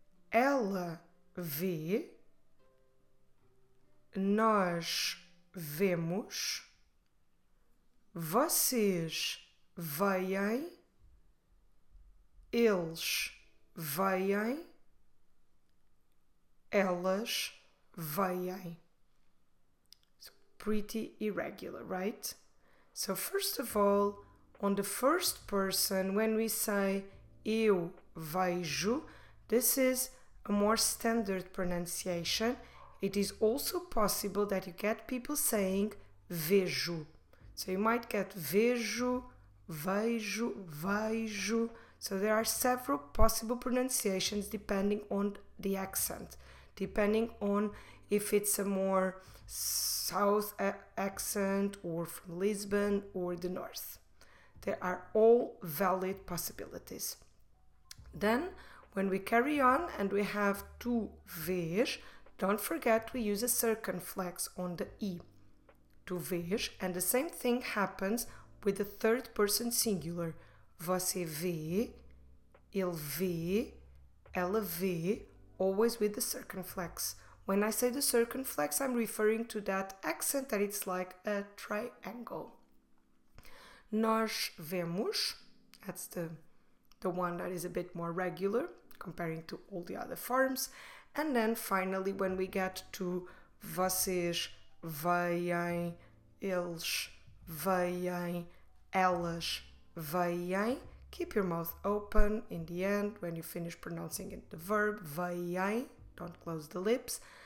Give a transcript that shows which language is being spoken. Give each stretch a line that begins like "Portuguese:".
Portuguese: Ela vê, nós vemos, vocês veem, eles veem, elas veem.
English: So pretty irregular, right? So first of all, on the first person, when we say
Portuguese: eu vejo,
English: this is a more standard pronunciation. It is also possible that you get people saying vejo. So you might get vejo, vejo, vejo. So there are several possible pronunciations depending on the accent, depending on if it's a more south accent or from Lisbon or the north. There are all valid possibilities. Then, when we carry on and we have
Portuguese: tu vês,
English: don't forget we use a circumflex on the I.
Portuguese: Tu vês,
English: and the same thing happens with the third person singular.
Portuguese: Você vê, ele vê, ela vê,
English: always with the circumflex. When I say the circumflex, I'm referring to that accent that it's like a triangle.
Portuguese: Nós vemos,
English: that's the one that is a bit more regular, comparing to all the other forms. And then finally, when we get to
Portuguese: vocês veem, eles veem, elas veem,
English: keep your mouth open in the end when you finish pronouncing it, the verb veem, don't close the lips.